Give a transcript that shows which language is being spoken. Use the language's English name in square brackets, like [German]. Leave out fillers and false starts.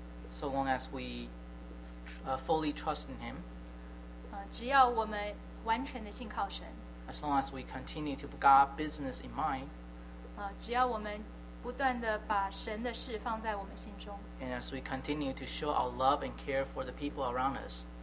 [English] So long as we fully trust in Him, [Chinese] 只要我们完全的信靠神。 [English] As long as we continue to put God's business in mind, [Chinese] 只要我们不断的把神的事放在我们心中。 [English] And as we continue to show our love and care for the people around us,